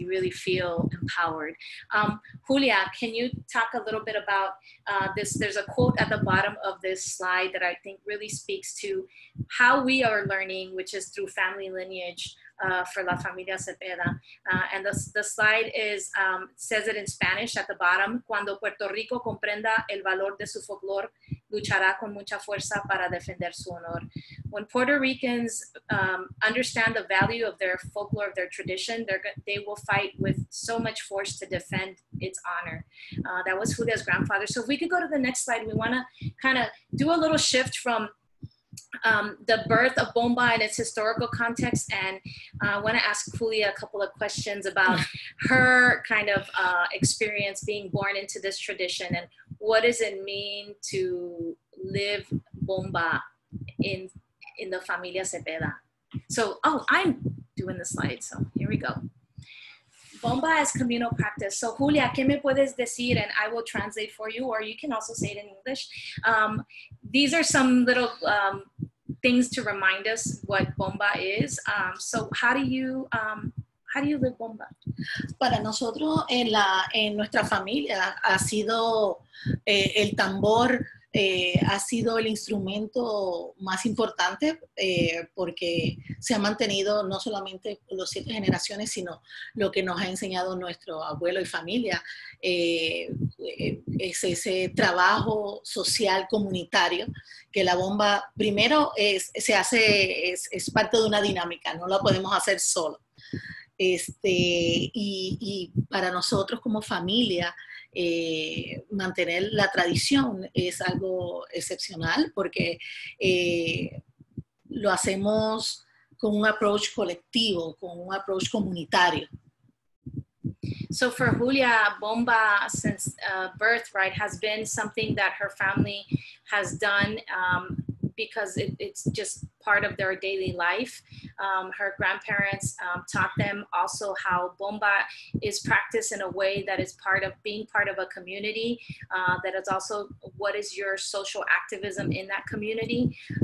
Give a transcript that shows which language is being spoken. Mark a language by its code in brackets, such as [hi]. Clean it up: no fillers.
[en] You really feel empowered. Julia, can you talk a little bit about this? There's a quote at the bottom of this slide that I think really speaks to how we are learning, which is through family lineage for La Familia Cepeda. And the slide is says it in Spanish at the bottom. [es] Cuando Puerto Rico comprenda el valor de su folclore, luchará con mucha fuerza para defender su honor. [en] When Puerto Ricans understand the value of their folklore, of their tradition, they will fight with so much force to defend its honor. That was Julia's grandfather. So if we could go to the next slide, we wanna kind of do a little shift from the birth of Bomba in its historical context. And I want to ask Julia a couple of questions about her kind of experience being born into this tradition. And what does it mean to live Bomba in the Familia Cepeda? I'm doing the slide. So here we go. Bomba as communal practice. [es] So Julia, ¿qué me puedes decir? [en] And I will translate for you, or you can also say it in English. These are some little things to remind us what Bomba is. So how do you live Bomba? [es] Para nosotros en nuestra familia ha sido el tambor ha sido el instrumento más importante porque se ha mantenido no solamente por las 7 generaciones, sino lo que nos ha enseñado nuestro abuelo y familia, es ese trabajo social comunitario, que la bomba primero se hace, es parte de una dinámica, no la podemos hacer solo. Y para nosotros como familia, mantener la tradición es algo excepcional porque lo hacemos con un approach colectivo, con un approach comunitario. [en] So for Julia, Bomba since birth, right, has been something that her family has done because it's just part of their daily life. Her grandparents taught them also how Bomba is practiced in a way that is part of being part of a community, that is also what is your social activism in that community.